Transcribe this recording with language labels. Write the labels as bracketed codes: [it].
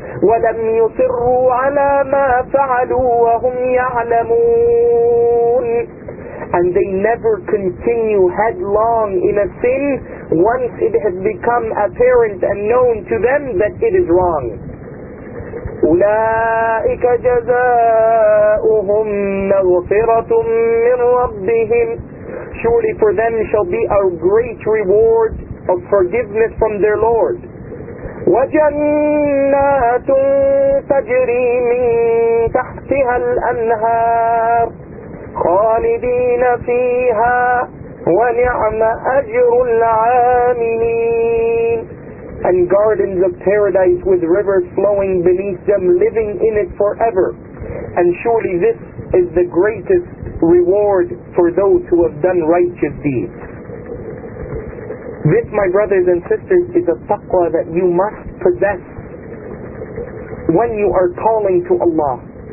[ar] وَلَمْ يُصِرُّوا عَلَى مَا فَعَلُوا وَهُمْ يَعْلَمُونَ. [en] And they never continue headlong in a sin once it has become apparent and known to them that it is wrong. [ar] أولئك جزاؤهم مغفرة من ربهم. [en] Surely for them shall be a great reward of forgiveness from their Lord. [ar] وجنات تجري من تحتها الأنهار خالدين فيها ونعم أجر العاملين. [en] And gardens of paradise with rivers flowing beneath them, living in it forever. And surely this is the greatest reward for those who have done righteous deeds. This, my brothers and sisters, is a taqwa that you must possess when you are calling to Allah.